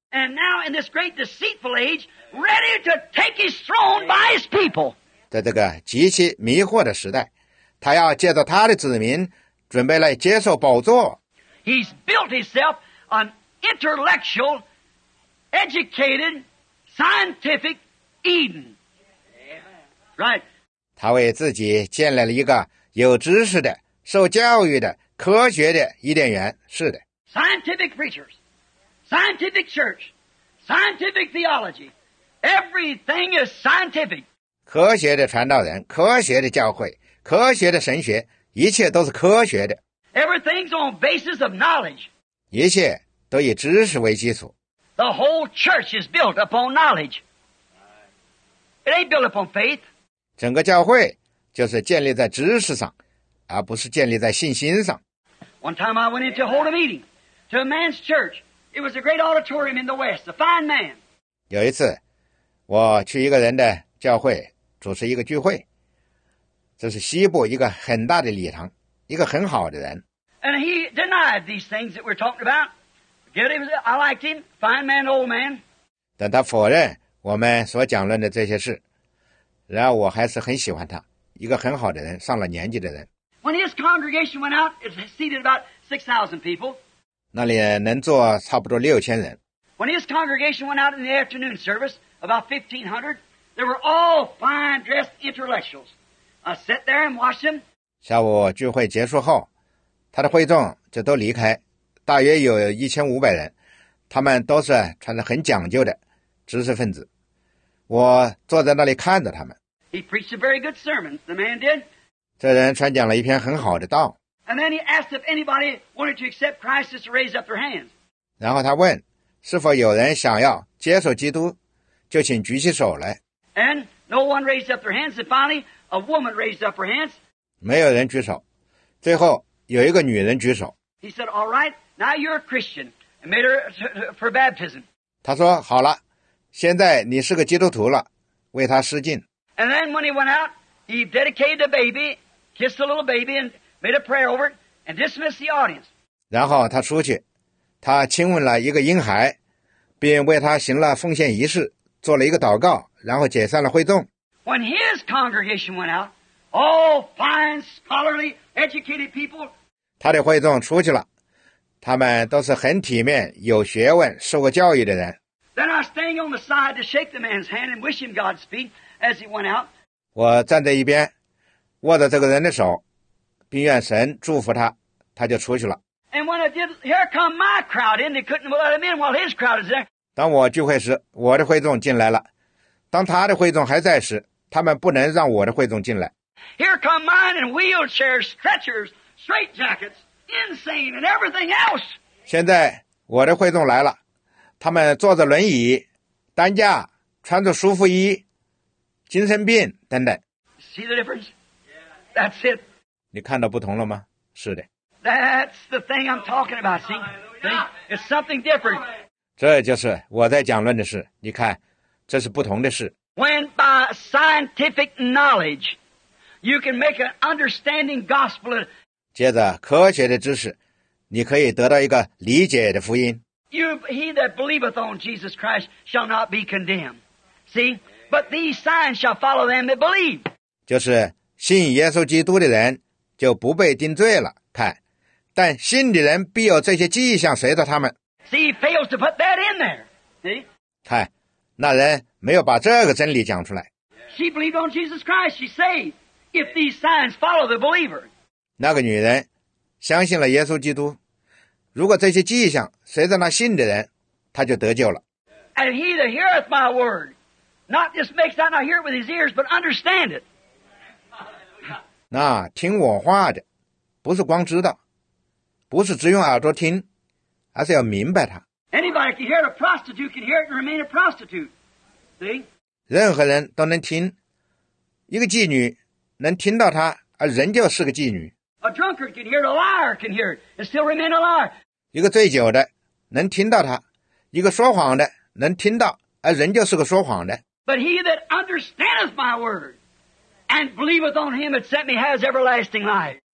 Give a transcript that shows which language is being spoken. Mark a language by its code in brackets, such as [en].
[en] And now in this great deceitful age, ready to take his throne by his people. [zh] 在这个极其迷惑的时代，他要借着他的子民准备来接受宝座。 [en] He's built himself an intellectual, educated, scientific Eden. Right. [zh] 他为自己建立了一个有知识的、受教育的、科学的伊甸园。是的。 [en] Scientific preachers, scientific church, scientific theology, everything is scientific. [zh] 科学的传道人、科学的教会、科学的神学，一切都是科学的。 [en] Everything's on basis of knowledge. [zh] 一切都以知识为基础。 [en] The whole church is built upon knowledge. It ain't built upon faith. [zh] 整个教会就是建立在知识上，而不是建立在信心上。 [en] One time I went in to hold a meeting to a man's church. It was a great auditorium in the West, a fine man. [zh] 有一次，我去一个人的教会主持一个聚会，这是西部一个很大的礼堂，一个很好的人。 [en] And he denied these things that we're talking about. Good, I liked him, fine man, old man. [zh] 但他否认我们所讲论的这些事，然而我还是很喜欢他，一个很好的人，上了年纪的人。 [en] When his congregation went out, it seated about 6,000 people. [zh] 那里能坐差不多6,000人。 [en] When his congregation went out in the afternoon service, about 1,500, they were all fine-dressed intellectuals. I sat there and watched him. [zh] 下午聚会结束后，他的会众就都离开，大约有1,500人，他们都是穿着很讲究的知识分子。我坐在那里看着他们。 [en] He preached a very good sermon, the man did. [zh] 这人传讲了一篇很好的道。 [en] And then he asked if anybody wanted to accept Christ to raise up their hands. [zh] 然后他问，是否有人想要接受基督，就请举起手来。 [en] And no one raised up their hands, and finally, a woman raised up her hands. [zh] 没有人举手，最后有一个女人举手。 [en] He said, all right, now you're a Christian, and made her for baptism. [zh] 他说，好了。现在你是个基督徒了，为他施浸。 [en] And then when he went out, he dedicated the baby, kissed the little baby, and made a prayer over it, and dismissed the audience. [zh] 然后他出去，他亲吻了一个婴孩，并为他行了奉献仪式，做了一个祷告，然后解散了会众。 [en] When his congregation went out, all fine, scholarly, educated people. [zh] 他的会众出去了，他们都是很体面、有学问、受过教育的人。 [en] Then I was standing on the side to shake the man's hand and wish him Godspeed as he went out. [zh] 我站在一边，握着这个人的手，并愿神祝福他，他就出去了。 [en] And when I did, here come my crowd in. They couldn't let him in while his crowd is there. [zh] 当我聚会时，我的会众进来了。当他的会众还在时，他们不能让我的会众进来。 [en] Here come mine in wheelchairs, stretchers, straitjackets, insane, and everything else. [zh] 现在我的会众来了。他们坐着轮椅、担架、穿着舒服衣、精神病等等。 [en] See the difference? That's it. [zh] 你看到不同了吗？是的。 [en] That's the thing I'm talking about. See, it's something different. [zh] 这就是我在讲论的事。你看，这是不同的事。 [en] When by scientific knowledge, you can make an understanding gospel. [zh] 借着科学的知识，你可以得到一个理解的福音。 [en] He that believeth on Jesus Christ shall not be condemned. See, but these signs shall follow them that believe. [zh] 就是信耶稣基督的人就不被定罪了。看，但信的人必有这些迹象随着他们。 [en] See, he fails to put that in there. See, [zh] 看，那人没有把这个真理讲出来。 [en] She believed on Jesus Christ. She saved. If these signs follow the believer. [zh] 那个女人相信了耶稣基督。如果这些迹象随着那信的人，他就得救了。 [en] And he that heareth my word, not just makes that not hear it with his ears, but understand it. [zh] 那听我话的，不是光知道，不是只用耳朵听，而是要明白它。 [en] Anybody can hear it, a prostitute can hear it and remain a prostitute. See? [zh] 任何人都能听，一个妓女能听到它，而仍旧是个妓女。 [en] A drunkard can hear it, a liar can hear it, and still remain a liar. [zh] 一个醉酒的能听到他，一个说谎的能听到，而仍旧是个说谎的。 [en] But he that understandeth my word and believeth on him that sent me has everlasting life.